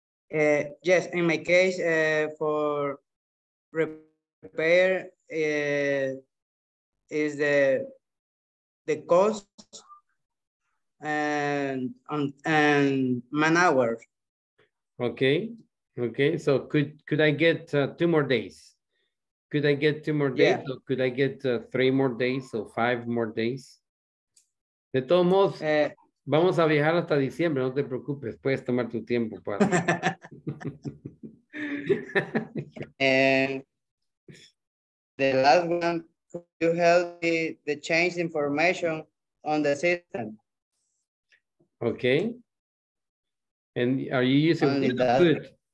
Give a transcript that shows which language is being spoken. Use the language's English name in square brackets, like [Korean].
[English] Yes, in my case, for repair is the cost and man hours. Okay, so could I get 2 more days? Could I get 2 more days? Yeah. Or could I get 3 more days or 5 more days? [Spanish] De todos modos, vamos a viajar hasta diciembre, no te preocupes, puedes tomar tu tiempo para. [English] The last one, could you help me to change information on the system? Okay. And are you using good?